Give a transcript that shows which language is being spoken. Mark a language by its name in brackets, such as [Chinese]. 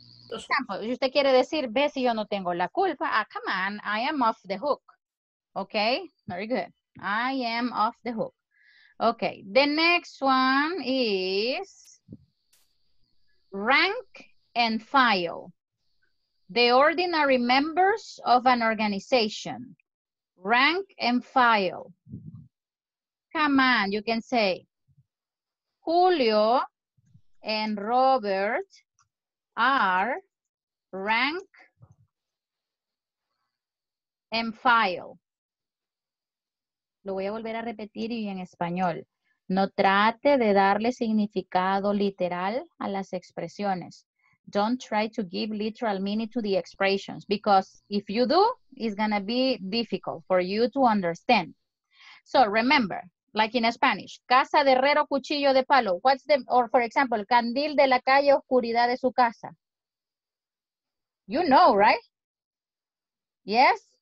[Spanish] Example, usted quiere decir, ve si yo no tengo la culpa. [English] Ah, come on, I am off the hook. Okay, very good. I am off the hook. Okay, the next one is rank and file. The ordinary members of an organization. Rank and file. Come on, you can say, Julio and Robert are rank and file. [Spanish] Lo voy a volver a repetir y en español. No trate de darle significado literal a las expresiones. [English] Don't try to give literal meaning to the expressions because if you do, it's gonna be difficult for you to understand. So remember, like in Spanish, [Spanish] casa de herrero, cuchillo de palo. [English] What's the, or for example, [Spanish] candil de la calle, oscuridad de su casa. [English] You know, right? Yes?